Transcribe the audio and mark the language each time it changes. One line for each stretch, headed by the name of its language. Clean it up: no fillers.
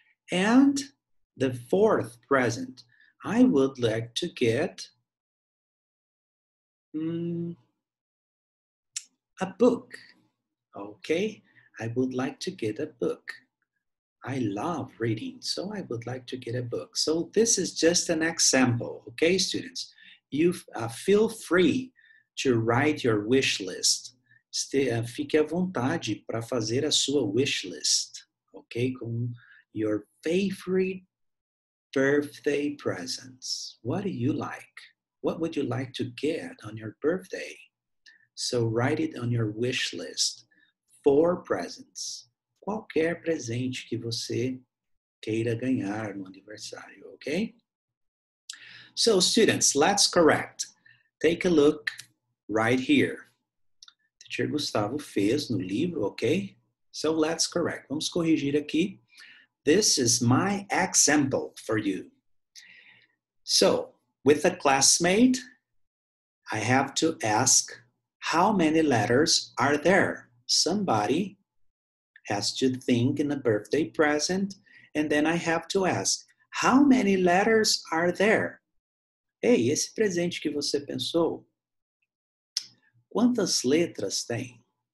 English: And the fourth present, I would like to get a book, okay? I would like to get a book. I love reading, so I would like to get a book. So this is just an example, okay, students? You feel free to write your wish list.
Portuguese: Fique à vontade para fazer a sua wish list, ok? Com
English: your favorite birthday presents. What do you like? What would you like to get on your birthday? So write it on your wish list. Four presents.
Portuguese: Qualquer presente que você queira ganhar no aniversário, ok?
English: So students, let's correct. Take a look. Right here. Teacher Gustavo
Portuguese: fez no livro,
English: okay? So let's correct.
Portuguese: Vamos corrigir aqui.
English: This is my example for you. So, with a classmate, I have to ask how many letters are there? Somebody has to think in a birthday present, and then I have to ask, how many letters are there?
Portuguese: Hey, esse presente que você pensou, quantas letras tem?